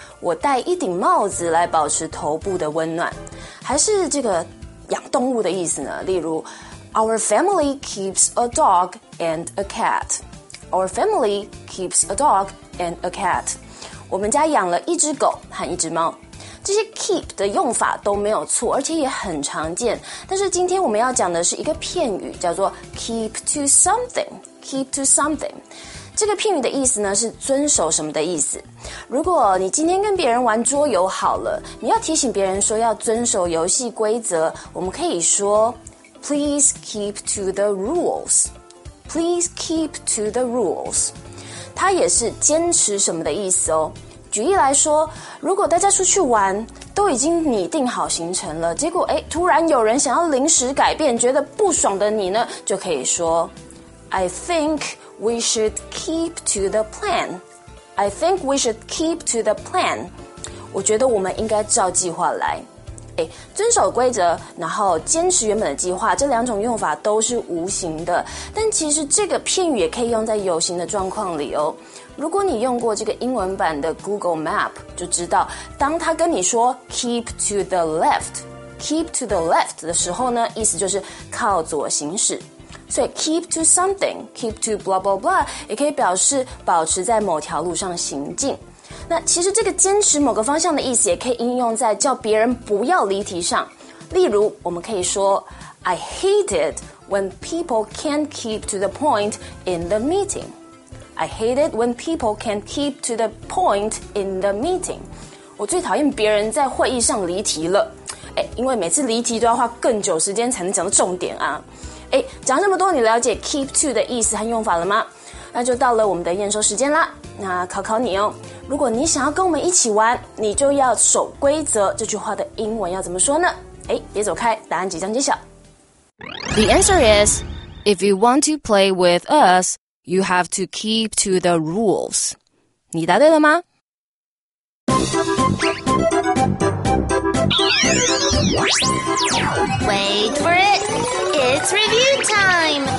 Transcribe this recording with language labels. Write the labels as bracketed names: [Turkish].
[Chinese] 我戴一顶帽子来保持头部的温暖。还是这个养动物的意思呢？例如 [English] ，Our family keeps a dog and a cat. Our family keeps a dog and a cat. [Chinese] 我们家养了一只狗和一只猫。这些 keep 的用法都没有错，而且也很常见。但是今天我们要讲的是一个片语，叫做 [English] keep to something. Keep to something. [Chinese] 这个片语的意思呢，是遵守什么的意思。如果你今天跟别人玩桌游好了，你要提醒别人说要遵守游戏规则，我们可以说 [English] Please keep to the rules. Please keep to the rules. [Chinese] 它也是坚持什么的意思哦。举例来说，如果大家出去玩，都已经拟定好行程了，结果诶，突然有人想要临时改变，觉得不爽的你呢，就可以说 [English] I think we should keep to the plan. I think we should keep to the plan. [Chinese] 我觉得我们应该照计划来。诶，遵守规则然后坚持原本的计划，这两种用法都是无形的，但其实这个片语也可以用在有形的状况里哦。如果你用过这个英文版的 Google Map 就知道，当他跟你说 [English] keep to the left [Chinese] keep to the left 的时候呢，意思就是靠左行驶。所以 [English] keep to something keep to blah blah [Chinese] blah 也可以表示保持在某条路上行进。那其实这个坚持某个方向的意思也可以应用在叫别人不要离题上。例如我们可以说 [English] I hate it when people can't keep to the point in the meeting. I hate it when people can't keep to the point in the meeting. [Chinese] 我最讨厌别人在会议上离题了，因为每次离题都要花更久时间才能讲到重点啊。讲这么多，你了解 keep to 的意思和用法了吗？那就到了我们的验收时间啦。那考考你哦，如果你想要跟我们一起玩，你就要守规则，这句话的英文要怎么说呢？别走开，答案即将揭晓。 [English] The answer is, if you want to play with us, you have to keep to the rules. [Chinese] 你答对了吗？ [English] Wait for it! It's review time!